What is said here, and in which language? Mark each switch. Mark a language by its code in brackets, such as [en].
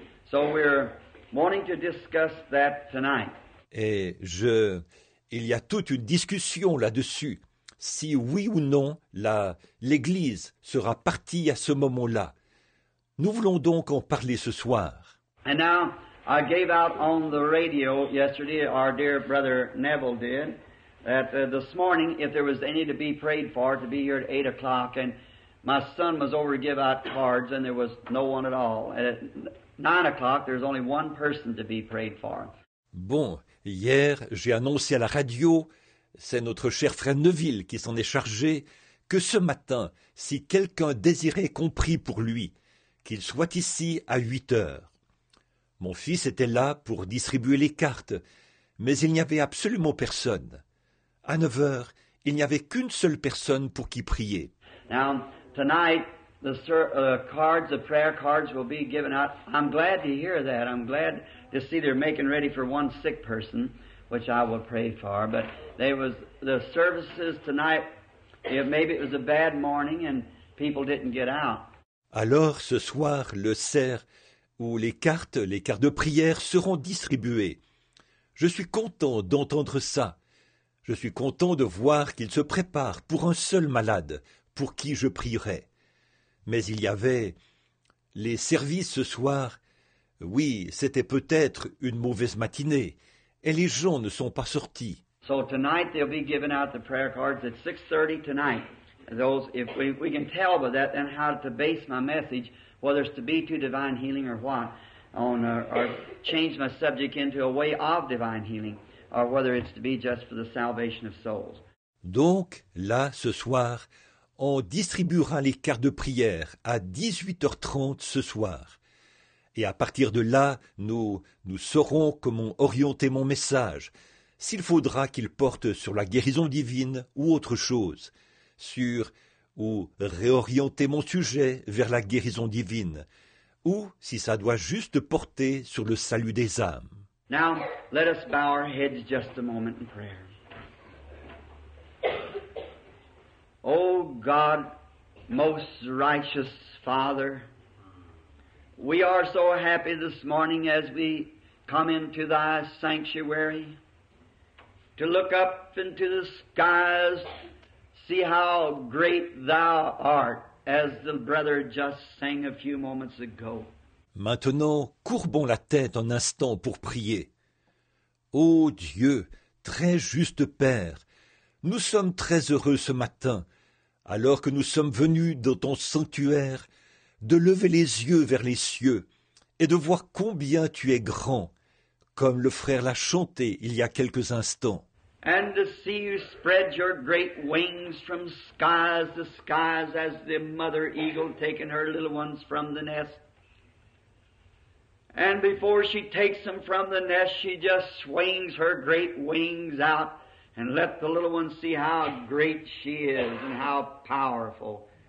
[en] So we're wanting to discuss that tonight. [fr] Il y a toute une discussion là-dessus, si oui ou non l'Église sera partie à ce moment-là. Nous voulons donc en parler ce soir. [en] And now, I gave out on the radio yesterday, our dear brother Neville did, that this morning, if there was any to be prayed for, to be here at 8 o'clock, and my son was over to give out cards, and there was no one at all. And at 9 o'clock, there's only one person to be prayed for. [fr] Bon, hier, j'ai annoncé à la radio, c'est notre cher frère Neville qui s'en est chargé, que ce matin, si quelqu'un désirait qu'on prie pour lui, qu'il soit ici à 8 heures. Mon fils était là pour distribuer les cartes, mais il n'y avait absolument personne. À 9 heures, il n'y avait qu'une seule personne pour qui prier. [en] Now, tonight, the prayer cards will be given out. I'm glad to hear that. I'm glad to see they're making ready for one sick person, which I will pray for. But the services tonight, maybe it was a bad morning and people didn't get out. [fr] Alors ce soir, le cerf ou les cartes de prière seront distribuées. Je suis content d'entendre ça. Je suis content de voir qu'ils se préparent pour un seul malade pour qui je prierai. Mais il y avait les services ce soir. Oui, c'était peut-être une mauvaise matinée, et les gens ne sont pas sortis. [en] So tonight they'll be giving out the prayer cards at 6:30 tonight. Those, if we can tell by that, then how to base my message, whether it's to be to divine healing or what, or change my subject into a way of divine healing, or whether it's to be just for the salvation of souls. [fr] Donc là, ce soir, on distribuera les cartes de prière à 18h30 ce soir. Et à partir de là, nous saurons comment orienter mon message, s'il faudra qu'il porte sur la guérison divine ou autre chose, sur ou réorienter mon sujet vers la guérison divine, ou si ça doit juste porter sur le salut des âmes. [en] Now, let us bow our heads just a moment in prayer. Oh God, most righteous Father, we are so happy this morning as we come into Thy sanctuary to look up into the skies, see how great Thou art, as the brother just sang a few moments ago. [fr] Maintenant, courbons la tête un instant pour prier. Ô Dieu, très juste Père, nous sommes très heureux ce matin, alors que nous sommes venus dans ton sanctuaire, de lever les yeux vers les cieux et de voir combien tu es grand, comme le frère l'a chanté il y a quelques instants. [en] And to see you spread your great wings from skies to skies as the mother eagle taking her little ones from the nest. And before she takes them from the nest, she just swings her great wings out and let the little ones see how great she is and how powerful.